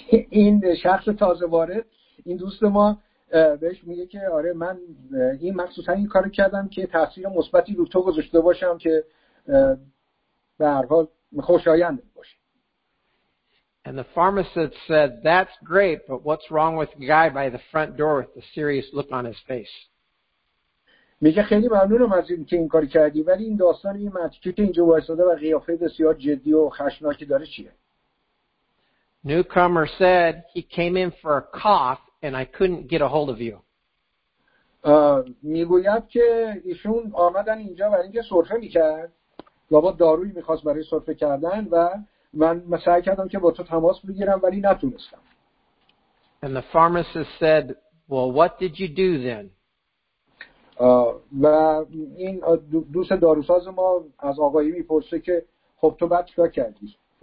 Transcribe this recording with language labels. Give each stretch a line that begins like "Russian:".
Persian: این شخص تازه وارد این دوست ما بهش میگه که آره من این مخصوصا این کارو کردم که تاثیر مثبتی رو تو گذاشته باشم که به هر حال خوشایند باشه.
English: And the pharmacist said that's great but what's wrong with the guy by the front door with the serious look on his face.
Persian: میگه خیلی ممنونم از این که این کارو کردی ولی این داستان این مچکی که اینجا وایساده و قیافه بسیار جدی و خشناکی داره چیه؟
English: Newcomer said he came in for a cough and I couldn't get a hold of you.
Persian: میگوید که ایشون آمدن اینجا برای اینکه سرفه میکرد لابا داروی میخواست برای سرفه کردن و من سعی کردم که با تو تماس بگیرم ولی نتونستم.
English: And the pharmacist said, well, what did you do then?
Persian: و این دوست داروساز ما از آقایی میپرسه که خب تو بعد چیکار کردی؟